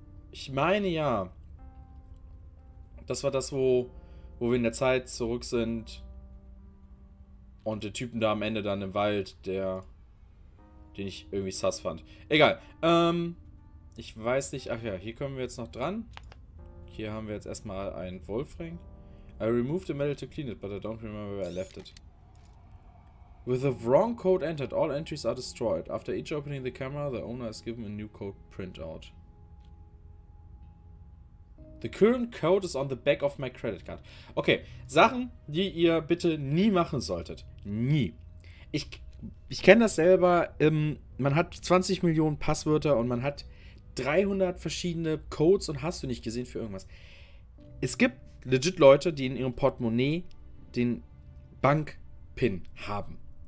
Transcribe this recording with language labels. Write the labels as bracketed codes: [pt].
[de] Ich meine ja. Das war das, wo wir in der Zeit zurück sind. Und der Typen da am Ende dann im Wald, den ich irgendwie sus fand. Egal. Ich weiß nicht. Ach ja, hier kommen wir jetzt noch dran. Hier haben wir jetzt erstmal einen Wolfring. [en] I removed the metal to clean it, but I don't remember where I left it. With the wrong code entered, all entries are destroyed. After each opening the camera, the owner is given a new code printout. The current code is on the back of my credit card. [de] Okay, Sachen, die ihr bitte nie machen solltet. Nie. Ich kenne das selber. Man hat 20 Millionen Passwörter und man hat 300 verschiedene Codes und hast du nicht gesehen für irgendwas. Es gibt legit Leute, die in ihrem Portemonnaie den Bank-PIN haben.